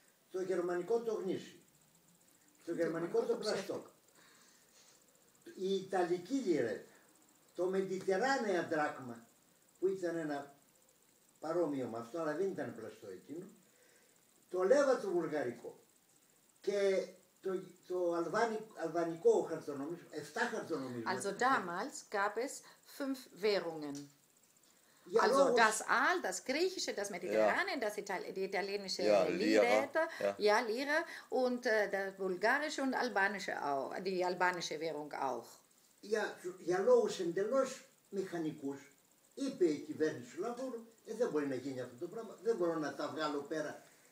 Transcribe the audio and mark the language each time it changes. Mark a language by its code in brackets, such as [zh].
[el] το γερμανικό το γνήσι, το γερμανικό το πλαστό, η ιταλική λίρα, το μεντιτεράνεα δράκμα, που ήταν ένα παρόμοιο με αυτό, αλλά δεν ήταν πλαστό εκείνο, το λέβα το βουλγαρικό και το αλβανικό χαρτονόμισμα, 7 χαρτονόμισμα. [de] Also damals gab es 5 Währungen. Also das Aal, das Griechische, das Mediterrane, das italienische Lira und das Bulgarische und Albanische auch, die albanische Währung auch. [el] Ja, για λόγους εντελώς μηχανικούς, είπε η κυβέρνηση Λαβούρου, δεν μπορεί να γίνει αυτό το πράγμα, δεν μπορώ να τα βγάλω πέρα.